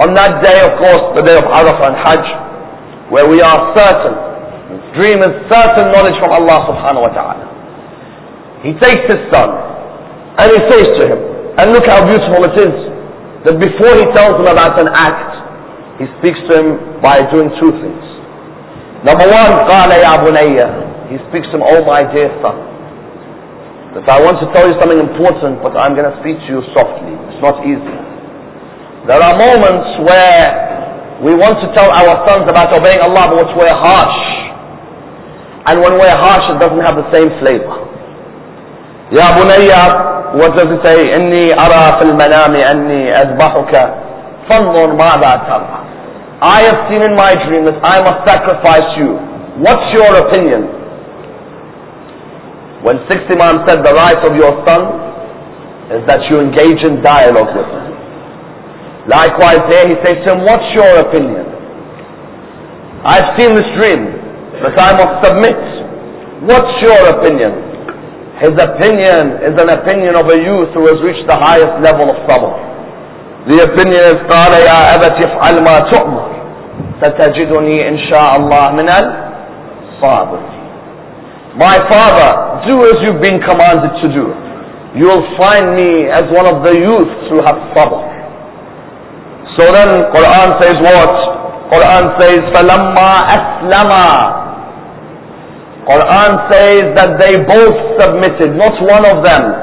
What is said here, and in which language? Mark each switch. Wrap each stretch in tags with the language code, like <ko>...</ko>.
<en>On that day, of course, the day of Arafah and Hajj, where we are certain, this dream is certain knowledge from Allah subhanahu wa ta'ala. He takes his son and he says to him, and look how beautiful it is, that before he tells him about an act, he speaks to him by doing two things. Number one,</en> <ar>قَالَ يَا بُنَيَّ.</ar> <en>He speaks to him, "Oh my dear son, if I want to tell you something important, but I'm going to speak to you softly. It's not easy." There are moments where we want to tell our sons about obeying Allah, but we're harsh. And when we're harsh, it doesn't have the same flavor. Ya Bunayya, what does it say?</en> <ar>Inni ara fil manami anni azbahuka fanzur ma'da tara.</ar> <en>I have seen in my dream that I must sacrifice you. What's your opinion? When Sixth Imam said the right of your son is that you engage in dialogue with him. Likewise there he says to him, "What's your opinion?" "I've seen this dream, but I must submit. What's your opinion?" His opinion is an opinion of a youth who has reached the highest level of sabr. The opinion is,</en> <ar>قَالَ يَا أَبَتِ افْعَلْ مَا تُؤْمَرْ سَتَجِدُنِي إِنْ شَاءَ اللَّهُ مِنَ الصَّابِرِينَ.</ar> <en>My father, do as you've been commanded to do. You'll find me as one of the youths who have sabr. So then Quran says what? Quran says,</en> <ar>فَلَمَّا أَسْلَمَا.</ar> <en>Quran says that they both submitted, not one of them.</en>